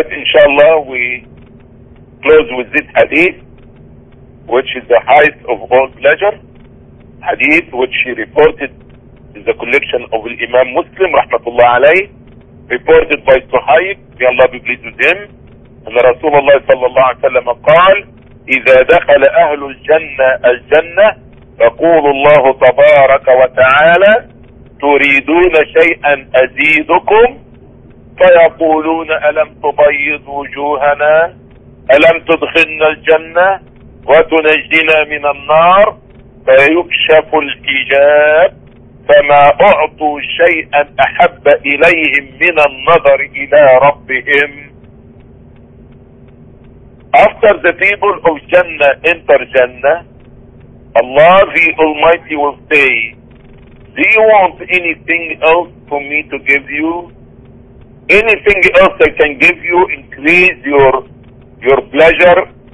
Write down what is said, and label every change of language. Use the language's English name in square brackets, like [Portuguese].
[English] Inshallah, we close with this hadith, which is the height of all pleasure. Hadith which he reported in the collection of Imam Muslim, rahmatullah alayhi, reported by Suhaib, may Allah be pleased with him. And the Rasulullah sallallahu alayhi wa sallam [Arabic] قال, إِذَا دَخَلَ أَهْلُ الْجَنَّةَ الْجَنَّةَ فَقُولُ اللَّهُ تَبَارَكَ وَتَعَالَى تُرِيدُونَ شَيْئًا أَزِيدُكُمْ فيقولون ألم تبيض وجوهنا ألم تدخلنا الجنة وتنجينا من النار فيكشف الحجاب فما أعطوا شيئا أحب إليهم من النظر إلى ربهم. [English] After the people of Jannah enter Jannah, Allah the Almighty will say, do you want anything else for me to give you? Anything else I can give you, increase your pleasure?